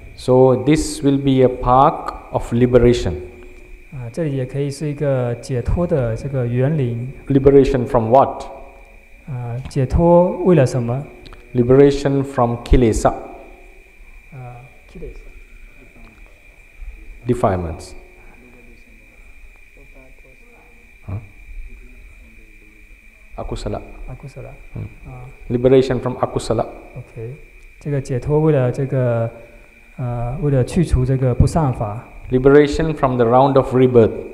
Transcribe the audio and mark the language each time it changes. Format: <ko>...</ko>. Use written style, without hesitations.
<en>So this will be a park of liberation.</en> <zh>这里也可以是一个解脱的这个园林.</zh> <en>Liberation from what?</en> <zh>解脱为了什么?</zh> <en>Liberation from kilesa. Kilesa. Defilements. Akusala. Akusala. Liberation from akusala. Okay.</en> <zh>这个解脱为了这个 为了去除这个不善法,</zh> <en>liberation from the round of rebirth.</en>